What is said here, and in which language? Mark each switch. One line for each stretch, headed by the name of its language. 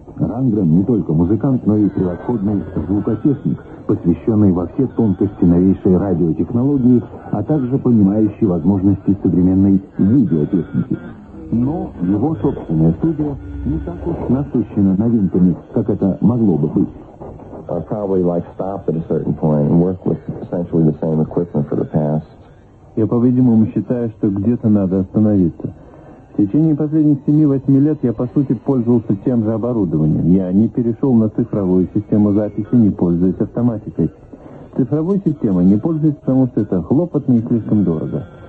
Russian: Рангрен не только музыкант, но и превосходный звукотехник, посвященный во все тонкости новейшей радиотехнологии, а также понимающий возможности современной видеотехники. Но его собственная студия не так уж насыщена новинками, как это могло бы быть.
English: I probably like stopped at a certain point and worked with essentially the same equipment for the past.
Russian: Я, по-видимому, считаю, что где-то надо остановиться. В течение последних 7-8 лет я, по сути, пользовался тем же оборудованием. Я не перешел на цифровую систему записи, не пользуюсь автоматикой. Цифровой системой не пользуюсь, потому что это хлопотно и слишком дорого.